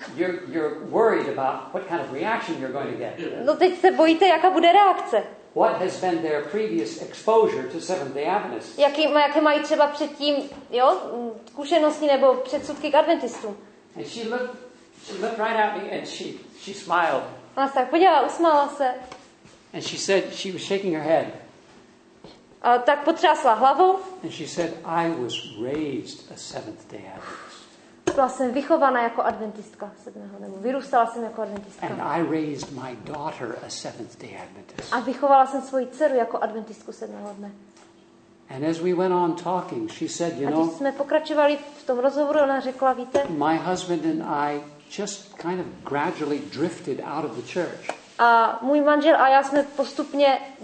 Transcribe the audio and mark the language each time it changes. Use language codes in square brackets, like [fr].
[en] You're worried about what kind of reaction you're going to get. [cs] No teď se bojíte, jaká bude reakce. [en] What has been their previous exposure to Seventh-day Adventists? [cs] Jaké mají třeba předtím, jo, zkušenosti nebo předsudky k adventistům? [en] And she looked right at me and she smiled. [cs] Ona se tak podívala, usmála se. [en] And she said she was shaking her head. [cs] A tak potřásla hlavou. [en] And she said I was raised a Seventh-day Adventist. [cs] Byla jsem vychovaná jako adventistka sedmého nebo vyrůstala jsem jako adventistka. [en] And I raised my daughter a Seventh-day Adventist. [cs] A vychovala jsem svoji dceru jako adventistku sedmého dne. [en] And as we went on talking, she said, you know. [cs] A když jsme pokračovali v tom rozhovoru, ona řekla, víte? [en] My husband and I just kind of gradually drifted out of the church. [cs] A můj manžel a já jsme postupně